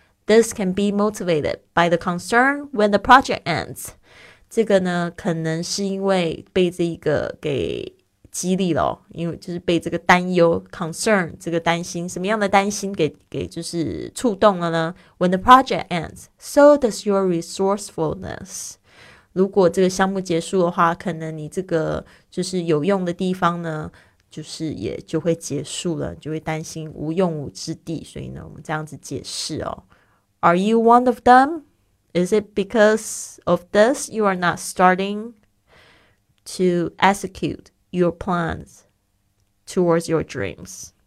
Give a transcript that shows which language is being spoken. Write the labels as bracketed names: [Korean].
[English] This can be motivated by the concern when the project ends. [Chinese] 这个呢，可能是因为被这一个给激励了，因为就是被这个担忧 concern 这个担心，什么样的担心给就是触动了呢？ [English] When the project ends, so does your resourcefulness. [Chinese] 如果这个项目结束的话，可能你这个就是有用的地方呢，就是也就会结束了，就会担心无用武之地。所以呢，我们这样子解释哦。 [English] Are you one of them? Is it because of this you are not starting to execute your plans towards your dreams?